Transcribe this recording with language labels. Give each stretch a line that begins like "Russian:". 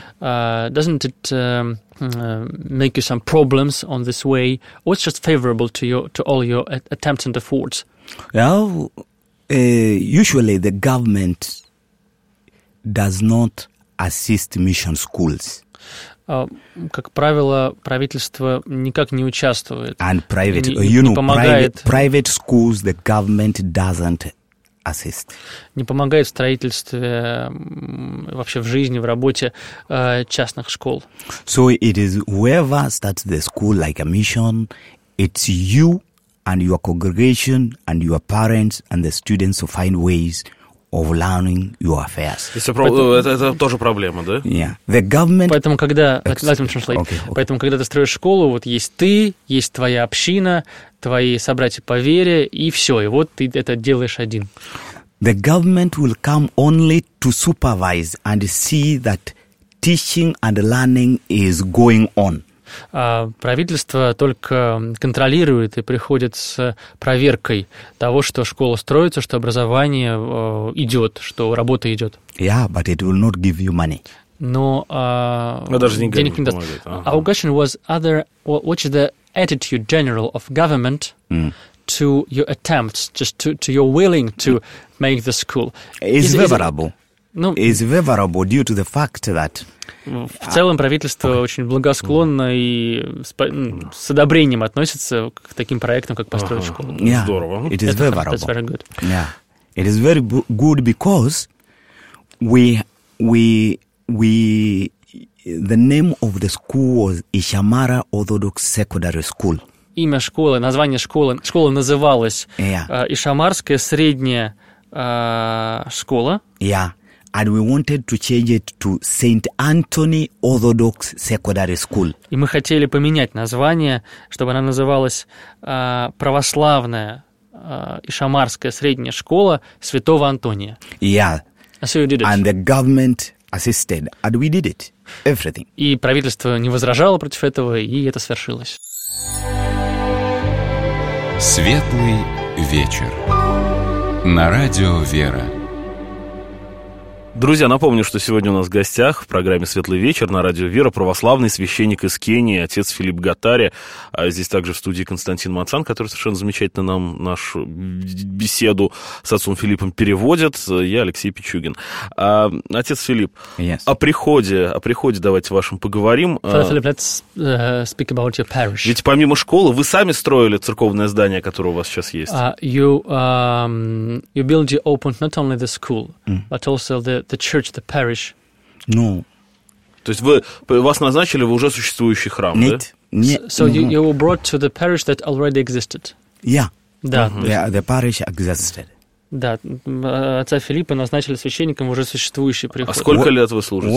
English: Doesn't it make you some problems on this way? What's just favorable to your to all your attempts and efforts? Well, usually the government does not assist mission schools.
Russian: Как правило, правительство никак не участвует.
English: And private,
Russian: не помогает.
English: Private schools, the government doesn't assist.
Russian: Не помогает в строительстве, вообще в жизни, в работе частных школ.
English: So it is whoever starts the school like a mission, it's you and your congregation and your parents and the students who find ways of learning your affairs.
Russian: Это тоже проблема, да?
English: Yeah. The government.
Russian: Поэтому когда, поэтому когда ты строишь школу, вот есть ты, есть твоя община, твои собратья по вере и все, и вот ты это делаешь один.
English: The government will come only to supervise and see that teaching and learning is going on.
Russian: Правительство только контролирует и приходит с проверкой того, что школа строится, что образование идет, что работа идет.
English: Yeah, but it will not give you money.
Russian: Но даже денег не помогает. Uh-huh.
English: Our question was, what is the attitude general of government to your attempts, just to your willing to make the school? It's favorable. No. Is favorable due to the fact that.
Russian: В целом правительство очень благосклонно и с одобрением относится к таким проектам, как построить школу. Yeah. Здорово.
English: It is favorable. That's very good. Yeah. It is very good because we the name of the school was Ishamara Orthodox Secondary School. Имя школы, название школы, школа называлась Ишамарская средняя школа. Yeah. And we wanted to change it to Saint Anthony Orthodox Secondary School. И мы хотели поменять название, чтобы она называлась православная Ишамарская средняя школа Святого Антония. Yeah. So you did it. And the government assisted, and we did it. Everything.
Russian: И правительство не возражало против этого, и это свершилось. Светлый вечер на радио Вера. Друзья, напомню, что сегодня у нас в гостях в программе «Светлый вечер» на радио «Вера» православный священник из Кении, отец Филипп Гатари. А здесь также в студии Константин Мацан, который совершенно замечательно нам нашу беседу с отцом Филиппом переводит. Я Алексей Пичугин. А, отец Филипп,
English: yes.
Russian: о приходе давайте вашим поговорим.
English: Father Philip, let's speak about your parish.
Russian: Ведь помимо школы вы сами строили церковное здание, которое у вас сейчас есть.
English: You build, you opened not only the school, but also the church, the parish. No.
Russian: То есть вас назначили в уже существующий храм, нет, да? Нет.
English: So you were brought to the parish that already existed. Yeah.
Russian: Да.
English: The parish existed.
Russian: Да, отца Филиппа назначили священником уже существующий приход. А сколько лет вы служите?